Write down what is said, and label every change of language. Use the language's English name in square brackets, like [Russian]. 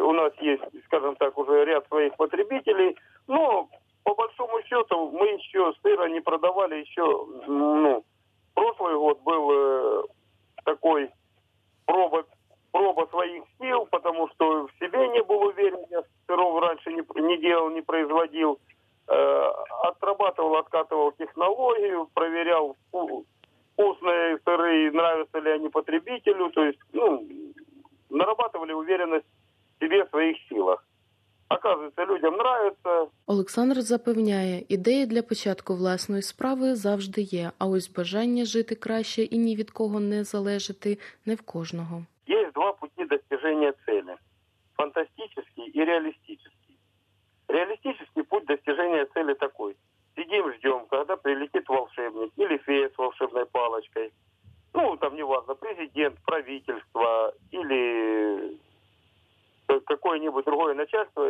[Ukrainian] У нас є, скажімо так, уже ряд своїх потребителів. Ну, [Russian] по большому счету, [Ukrainian] ми ще сира не продавали. Ще, ну, прошлий год був такий проба своїх сил, тому що в себе не був уверен, я сиров раніше не робив, [Russian] не производив. Отрабатывал, откатывал технологию, проверял, вкусные сыры, нравятся ли они потребителю. То есть, ну, нарабатывали уверенность в себе, в своих силах. Оказывается, людям нравится. [Ukrainian] Олександр запевняє, ідея для початку власної справи завжди є, а ось бажання жити краще і ні від кого не залежати не в кожного. [Russian] Є два пути достижения цели – фантастический и реалистический. Реалистический путь достижения цели такой. Сидим, ждем, когда прилетит волшебник или фея с волшебной палочкой. Ну, там неважно, президент, правительство или какое-нибудь другое начальство.